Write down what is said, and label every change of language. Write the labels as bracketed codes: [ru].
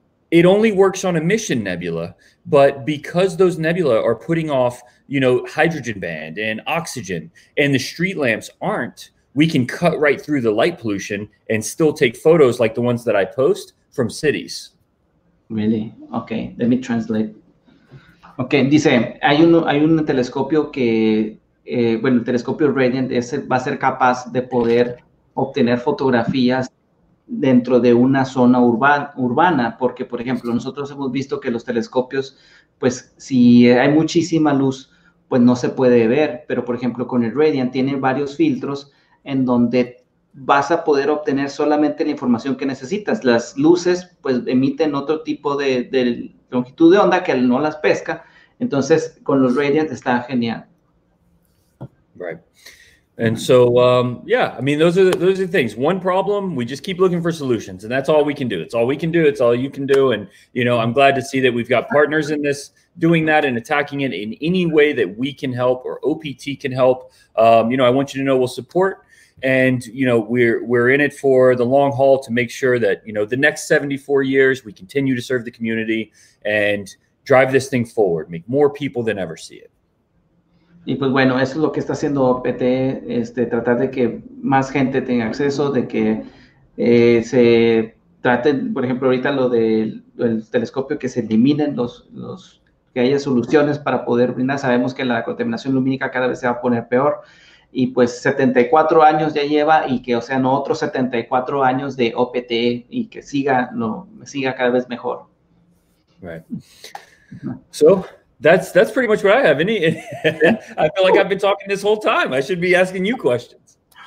[en] It only works on emission nebula, but because those nebula are putting off, you know, hydrogen band and oxygen, and the street lamps aren't, we can cut right through the light pollution and still take photos like the ones that I post from cities. Really? Okay, let me translate. [es] Okay, dice, hay un telescopio que, bueno, el telescopio Radiant ese va a ser capaz de poder obtener fotografías dentro de una zona urbana, porque, por ejemplo, nosotros hemos visto que los telescopios, pues, si hay muchísima luz, pues no se puede ver, pero, por ejemplo, con el Radiant tiene varios filtros en donde vas a poder obtener solamente la información que necesitas. Las luces, pues, emiten otro tipo de longitud de onda que no las pesca. Entonces, con los Radiant está genial. [en] Right. And so, yeah, I mean, those are things. One problem, we just keep looking for solutions, and that's all we can do. It's all we can do. It's all you can do. And, you know, I'm glad to see that we've got partners in this doing that and attacking it in any way that we can help or OPT can help. You know, I want you to know we'll support. And, you know, we're in it for the long haul to make sure that, you know, the next 74 years, we continue to serve the community and drive this thing forward, make more people than ever see it. [es] Y pues bueno, eso es lo que está haciendo OPT, tratar de que más gente tenga acceso, de que se trate, por ejemplo, ahorita lo del telescopio, que se eliminen los que haya soluciones para poder brindar. Sabemos que la contaminación lumínica cada vez se va a poner peor. Y pues 74 años ya lleva, y que, o sea, no otros 74 años de OPT, y que siga cada vez mejor. [en] Right. So, that's pretty much what I have. I feel like I've been talking this whole time. I should be asking you questions.